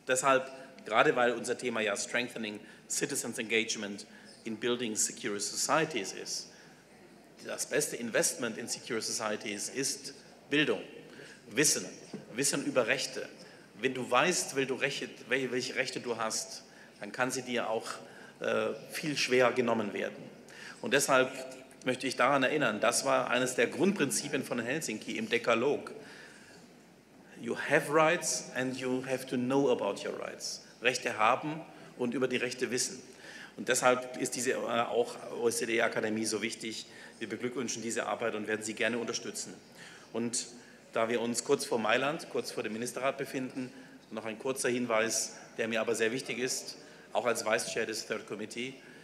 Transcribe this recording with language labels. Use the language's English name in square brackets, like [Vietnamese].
[German] Deshalb, gerade weil unser Thema ja Strengthening Citizens Engagement in Building Secure Societies ist, das beste Investment in Secure Societies ist Bildung, Wissen, Wissen über Rechte. Wenn du weißt, welche Rechte du hast, dann kann sie dir auch viel schwerer genommen werden. Und deshalb möchte ich daran erinnern, das war eines der Grundprinzipien von Helsinki im Dekalog. [English] You have rights and you have to know about your rights. [German] Rechte haben und über die Rechte wissen. Und deshalb ist diese auch OECD-Akademie so wichtig. Wir beglückwünschen diese Arbeit und werden sie gerne unterstützen. Und da wir uns kurz vor Mailand, kurz vor dem Ministerrat befinden, noch ein kurzer Hinweis, der mir aber sehr wichtig ist, auch als Vice-Chair des Third Committee.